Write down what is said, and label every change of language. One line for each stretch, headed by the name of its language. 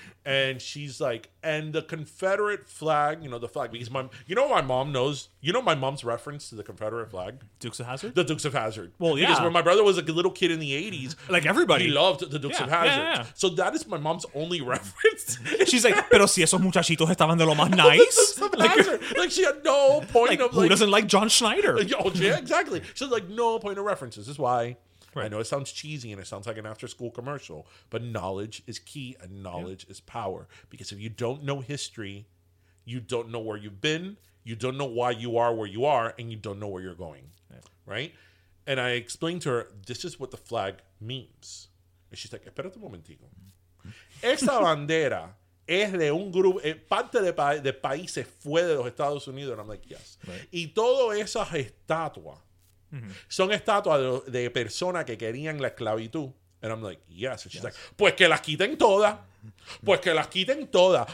English: And she's like, and the Confederate flag, you know, the flag, because my, you know, my mom knows, you know, my mom's reference to the Confederate flag. Dukes of Hazzard? The Dukes of Hazzard. Well, yeah. Because when my brother was a little kid in the 80s, like everybody, he loved the Dukes of Hazzard. Yeah, yeah, yeah. So that is my mom's only reference. She's like,
Spanish: pero si esos muchachitos estaban de lo más nice.
English: Like she had no point like, of who like, doesn't like John Schneider? Oh, yeah, exactly. She's like, no point of reference. This is why. Right. I know it sounds cheesy and it sounds like an after-school commercial, but knowledge is key and knowledge is power. Because if you don't know history, you don't know where you've been, you don't know why you are where you are, and you don't know where you're going. Yeah. Right? And I explained to her, this is what the flag means. And she's like,
Spanish: espérate un momentico. Esa bandera es de un grupo, parte de países fue de los Estados Unidos.
English: And I'm like, yes. Right.
Spanish: Y todas esas estatuas, mm-hmm. son estatuas de personas que querían la esclavitud.
English: And I'm like, yes. And she's like,
Spanish: pues que las quiten todas. Pues que las quiten todas.